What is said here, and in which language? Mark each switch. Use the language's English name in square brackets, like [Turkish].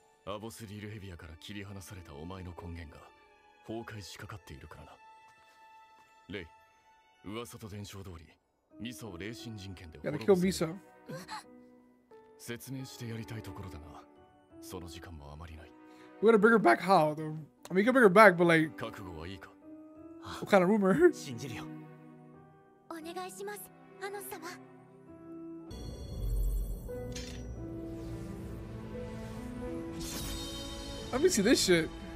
[Japanese] アボスリルヘビアから切り離されたお前の根源が崩壊しかかっているからな。レイ、噂と伝承通り、ミサを霊神人権で滅ぼせる。説明してやりたいところだが、その時間もあまりない。 [English] We gotta bring her back how though? I mean, we can bring her back, but like... [Japanese] 覚悟はいいか? [English] What kind of rumor? [Japanese] 信じるよ。お願いします、アノス様。 [English] Let me see this shit.